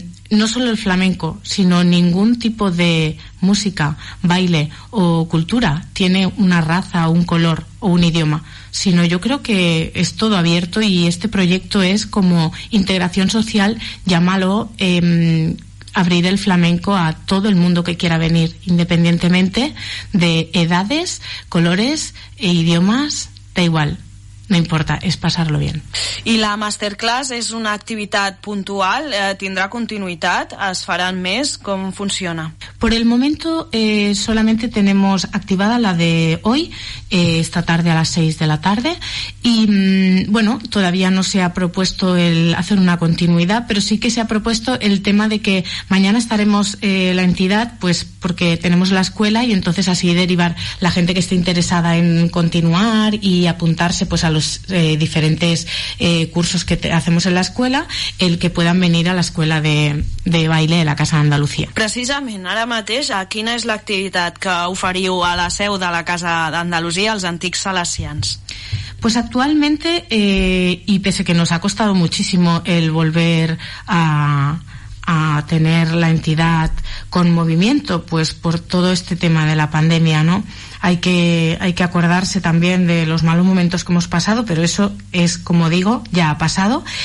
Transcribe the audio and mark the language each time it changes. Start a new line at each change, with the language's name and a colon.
Spanish: no solo el flamenco, sino ningún tipo de música, baile o cultura tiene una raza, un color o un idioma, sino yo creo que es todo abierto, y este proyecto es como integración social, llámalo, abrir el flamenco a todo el mundo que quiera venir, independientemente de edades, colores e idiomas, da igual.
Catalan: No importa, és passar-lo bé. I la masterclass és una activitat puntual, tindrà continuïtat? Es faran més? Com funciona?
Spanish: Por el momento solamente tenemos activada la de hoy, esta tarde a las 6 de la tarde, y bueno, todavía no se ha propuesto el hacer una continuidad, pero sí que se ha propuesto el tema de que mañana estaremos la entidad, pues porque tenemos la escuela, y entonces así derivar la gente que esté interesada en continuar y apuntarse pues a los diferentes cursos que hacemos en la escuela, el que puedan venir a la escuela de baile de la Casa d'Andalusia.
Catalan: Precisament, ara mateix, a quina és l'activitat que oferiu a la seu de la Casa d'Andalusia, els antics salesians?
Spanish: Pues actualmente, y pese que nos ha costado muchísimo el volver a tener la entidad con movimiento, pues por todo este tema de la pandemia, ¿no? Hay que acordarse también de los malos momentos que hemos pasado, pero eso es, como digo, ya ha pasado.